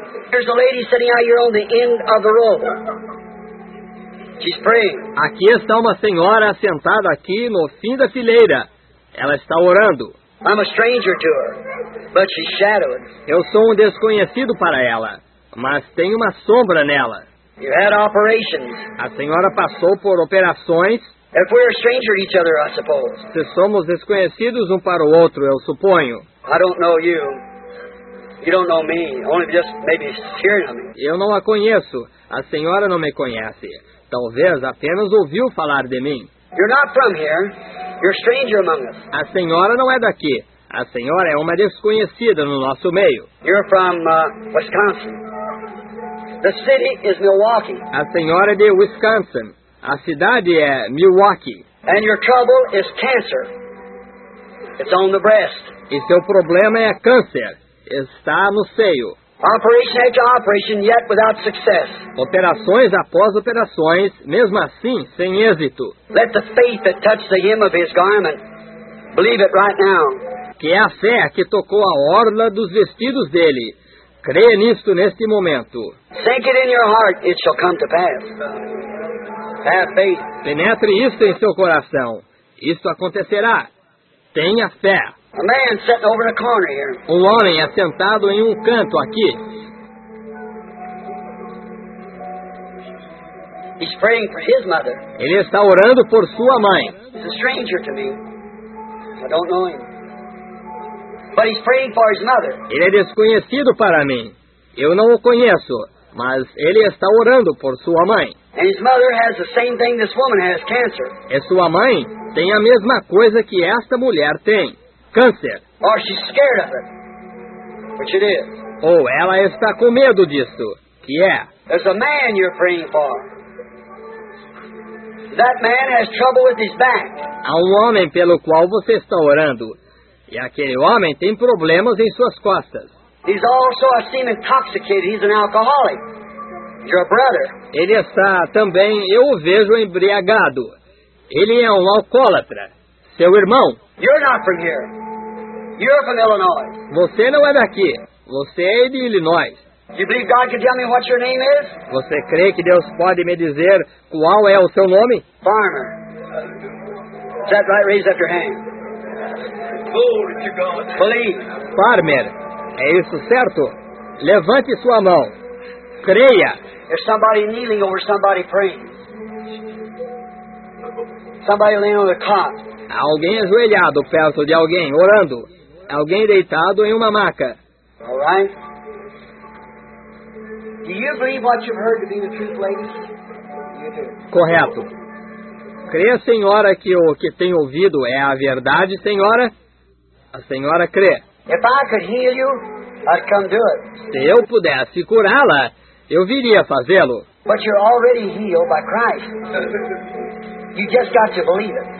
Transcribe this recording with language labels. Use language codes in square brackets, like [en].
[en] There's a lady sitting out here on the end of the row. She's praying. [pt] Aqui está uma senhora sentada aqui no fim da fileira. Ela está orando. [en] I'm a stranger to her, but she's shadowed. [pt] Eu sou um desconhecido para ela, mas tem uma sombra nela. [en] You had operations. [pt] A senhora passou por operações. [en] If we're a stranger to each other, I suppose. [pt] Se somos desconhecidos um para o outro, eu suponho. [en] I don't know you. You don't know me. Only just maybe hearing of me. [pt] Eu não a conheço. A senhora não me conhece. Talvez apenas ouviu falar de mim. [en] You're not from here. You're a stranger among us. [pt] A senhora não é daqui. A senhora é uma desconhecida no nosso meio. [en] You're from Wisconsin. The city is Milwaukee. [pt] A senhora é de Wisconsin. A cidade é Milwaukee. [en] And your trouble is cancer. It's on the breast. [pt] E seu problema é câncer. Está no seio. [en] Operation after operation, yet without success. [pt] Operações após operações, mesmo assim, sem êxito. [en] Let the faith that touched the hem of his garment believe it right now. [pt] Que é a fé que tocou a orla dos vestidos dele. Creia nisto neste momento. [en] Sink it in your heart, it shall come to pass. Have faith. [pt] Penetre isto em seu coração. Isto acontecerá. Tenha fé. [en] A man sitting over the corner here. [pt] Um homem é sentado em um canto aqui. [en] He's praying for his mother. [pt] Ele está orando por sua mãe. [en] He's a stranger to me. I don't know him. But he's praying for his mother. [pt] Ele é desconhecido para mim. Eu não o conheço, mas ele está orando por sua mãe. [en] And his mother has the same thing this woman has, cancer. [pt] E sua mãe tem a mesma coisa que esta mulher tem, câncer. [en] Or she's scared of it, which it is. [pt] Ou ela está com medo disso, que é. [en] There's a man you're praying for. That man has trouble with his back. [pt] Há um homem pelo qual você está orando. E aquele homem tem problemas em suas costas. [en] He's also, I seem intoxicated. He's an alcoholic. Your brother. [pt] Ele está também, eu o vejo embriagado. Ele é um alcoólatra. Seu irmão. [en] You're not from here. You're from Illinois. [pt] Você não é daqui. Você é de Illinois. [en] Do you believe God can tell me what your name is? [pt] Você crê que Deus pode me dizer qual é o seu nome? [en] Farmer. Is that right? Raise up your hand. Believe. [pt] Farmer, é isso certo? Levante sua mão. Creia. [en] There's somebody kneeling over somebody praying. Somebody laying on the cot. [pt] Há alguém ajoelhado perto de alguém, orando. Alguém deitado em uma maca. [en] All right. Do you believe what you've heard to be the truth, ladies? You do. [pt] Correto. Crê, senhora, que o que tem ouvido é a verdade, senhora? A senhora crê. [en] If I could heal you, I'd come do it. [pt] Se eu pudesse curá-la, eu viria fazê-lo. [en] But you're already healed by Christ. You just got to believe it.